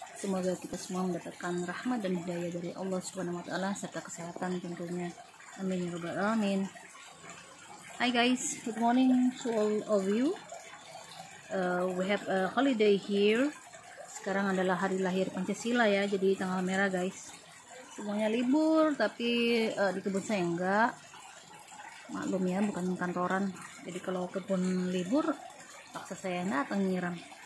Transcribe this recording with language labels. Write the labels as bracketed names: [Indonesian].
[Indonesian] Semoga kita semua mendapatkan rahmat dan hidayah dari Allah Subhanahu wa taala serta kesehatan tentunya. Amin ya rabbal alamin. [English] Hi guys, good morning to all of you. We have a holiday here. [Indonesian] Sekarang adalah hari lahir Pancasila ya, jadi tanggal merah guys. Semuanya libur, tapi di kebun saya enggak. Maklum ya, bukan kantoran. Jadi kalau kebun libur, paksa saya enggak atau nyiram.